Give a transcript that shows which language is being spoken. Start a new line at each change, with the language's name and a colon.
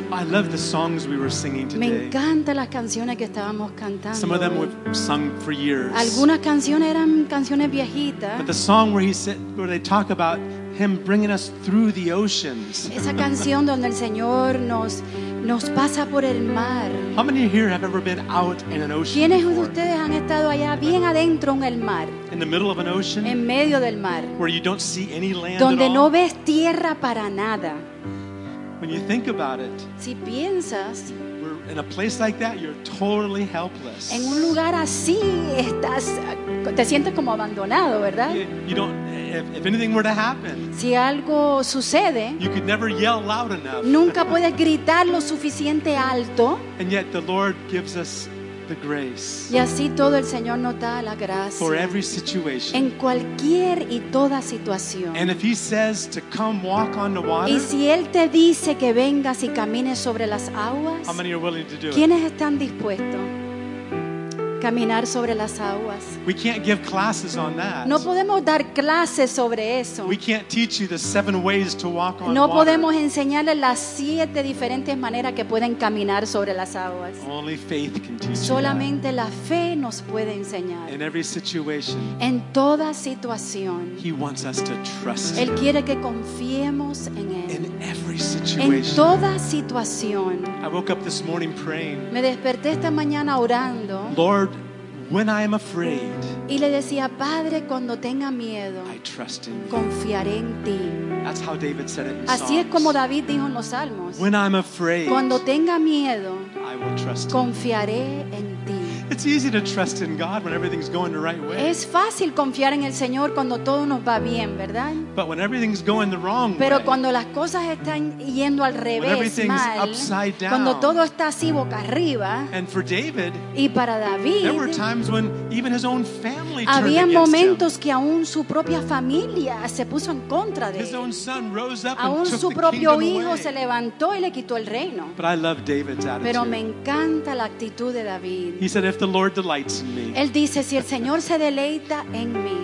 English: I love the songs we were singing today.
Spanish: Me encantan las canciones que estábamos cantando.
English: Some of them we've sung for years.
Spanish: Algunas canciones eran canciones viejitas.
English: But the song where he said, where they talk about him bringing us through the oceans.
Spanish: Esa canción donde el Señor nos pasa por el mar.
English: How many here have ever been out in an ocean?
Spanish: ¿Quiénes de ustedes han estado allá bien adentro en el mar?
English: In the middle of an ocean?
Spanish: En medio del mar.
English: Where you don't see any land at all?
Spanish: Donde no ves tierra para nada.
English: When you think about it.
Spanish: Si piensas.
English: In a place like that, you're totally helpless.
Spanish: En un lugar así, estás, te sientes como abandonado, ¿verdad?
English: You don't. If anything were to happen,
Spanish: si algo sucede,
English: you could never yell loud enough.
Spanish: Nunca puedes gritar lo suficiente alto.
English: And yet, the Lord gives us the grace.
Spanish: Y así todo el Señor nos da la gracia.
English: For every situation.
Spanish: En cualquier y toda situación.
English: And if He says to come walk on the water,
Spanish: y si Él te dice que vengas y camines sobre las aguas,
English: how many are willing to do it?
Spanish: ¿Quiénes están dispuestos? Caminar sobre las aguas.
English: We can't give classes on that.
Spanish: No podemos dar clases sobre eso.
English: We can't teach you the seven ways to walk on water.
Spanish: No podemos enseñarles las siete diferentes maneras que pueden caminar sobre las aguas.
English: Only faith can teach.
Spanish: Solamente
English: you
Spanish: la fe nos puede enseñar.
English: In every situation.
Spanish: En toda situación.
English: He wants us to trust.
Spanish: Él quiere que confiemos en él.
English: In every situation.
Spanish: En toda situación.
English: I woke up this morning praying.
Spanish: Me desperté esta mañana orando.
English: Lord, when I am afraid,
Spanish: y le decía, Padre, cuando tenga miedo,
English: I trust in you.
Spanish: Confiaré en ti.
English: That's how David said it in Psalms.
Spanish: Así es como David dijo en los Salmos.
English: When I'm afraid,
Spanish: cuando tenga miedo,
English: I will trust
Spanish: confiaré
English: in
Spanish: en ti.
English: It's easy to trust in God when everything's going the right way.
Spanish: Es fácil confiar en el Señor cuando todo nos va bien, ¿verdad?
English: But when everything's going the wrong way.
Spanish: Pero cuando las cosas están yendo al revés,
English: when everything's
Spanish: mal,
English: upside down.
Spanish: Cuando todo está así boca arriba.
English: And for David.
Spanish: Y para David.
English: There were times when even his own family.
Spanish: Había momentos que aún su propia familia se puso en contra de él.
English: His own son rose up.
Spanish: Aún su propio hijo se levantó y le quitó el reino.
English: But I love David's attitude.
Spanish: Pero me encanta la actitud de David.
English: He said, if the the Lord delights in me,
Spanish: Él dice, si el Señor se deleita en mí,